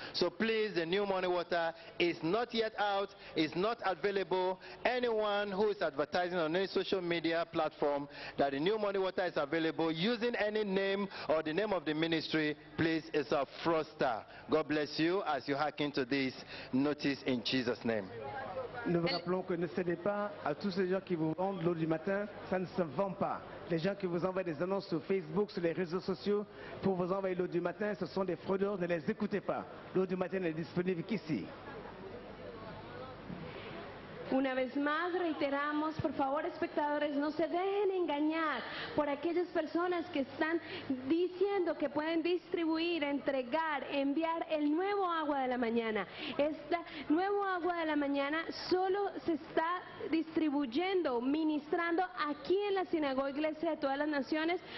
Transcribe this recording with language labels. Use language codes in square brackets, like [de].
[en] So please, the new morning water is not yet out, is not available. Anyone who is advertising on any social media platform that the new morning water is available using any name or the name of the ministry, please, it's a fraudster. God bless you as you hearken to this notice in Jesus' name. [fr] Nous vous rappelons que ne cédez pas à tous ces gens qui vous vendent l'eau du matin, ça ne se vend pas. Les gens qui vous envoient des annonces sur Facebook, sur les réseaux sociaux, pour vous envoyer l'eau du matin, ce sont des fraudeurs, ne les écoutez pas. L'eau du matin n'est disponible qu'ici. [es] Una vez más reiteramos, por favor, espectadores, no se dejen engañar por aquellas personas que están diciendo que pueden distribuir, entregar, enviar el nuevo agua de la mañana. Este nuevo agua de la mañana solo se está distribuyendo, ministrando aquí en la Sinagoga Iglesia de Todas las Naciones.